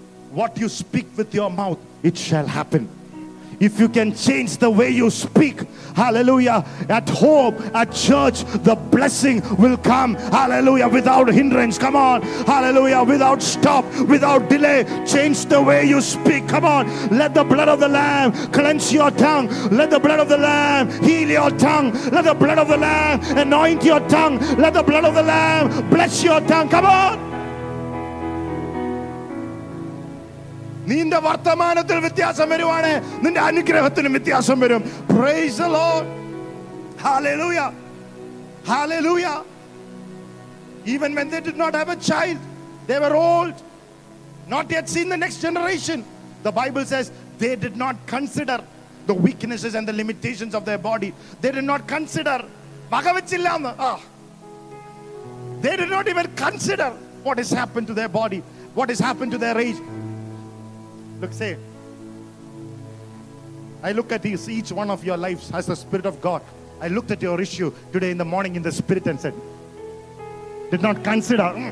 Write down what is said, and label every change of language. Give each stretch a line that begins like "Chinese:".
English: What you speak with your mouth, it shall happen. If you can change the way you speak, hallelujah, at home, at church, the blessing will come, hallelujah, without hindrance, come on, hallelujah, without stop, without delay, change the way you speak, come on, let the blood of the Lamb cleanse your tongue, let the blood of the Lamb heal your tongue, let the blood of the Lamb anoint your tongue, let the blood of the Lamb bless your tongue, come on.
Malayalam: നിന്റെ വർത്തമാനത്തിൽ വ്യത്യാസം വരുവാണ്, നിന്റെ അനുഗ്രഹത്തിനും വ്യത്യാസം വരും.
English: Praise the Lord. Hallelujah, hallelujah. Even when they did not have a child, they were old, not yet seen the next generation. The Bible says they did not consider the weaknesses and the limitations of their body. They did not consider,
Malayalam: വകവച്ചില്ല എന്ന്.
English: They did not even consider what has happen to their body, what has happen to their age. Look, say, I look at each one of your lives as the Spirit of God. I looked at your issue today in the morning in the Spirit and said, did not consider.